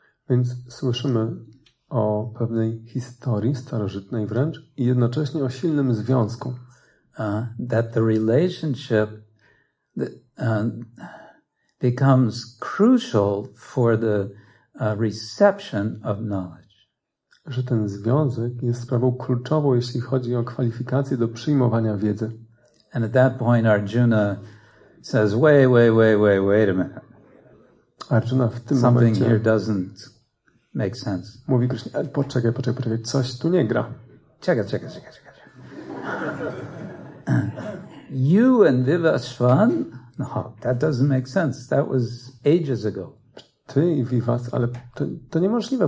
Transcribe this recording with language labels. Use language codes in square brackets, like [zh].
[pl] Więc słyszymy o pewnej historii starożytnej wręcz i jednocześnie o silnym związku. [en] That the relationship becomes crucial for the reception of knowledge. [pl] Że ten związek jest sprawą kluczową, jeśli chodzi o kwalifikacje do przyjmowania wiedzy. [en] And at that point Arjuna says, wait a minute. [pl] Arjuna w tym [en] something [pl] momencie [en] here doesn't make sense. [pl] Mówi Krishna, poczekaj, coś tu nie gra. Czekaj. [en] You and Vivasvan? No, that doesn't make sense. That was ages ago. [pl] Ty i Vivas, ale to niemożliwe.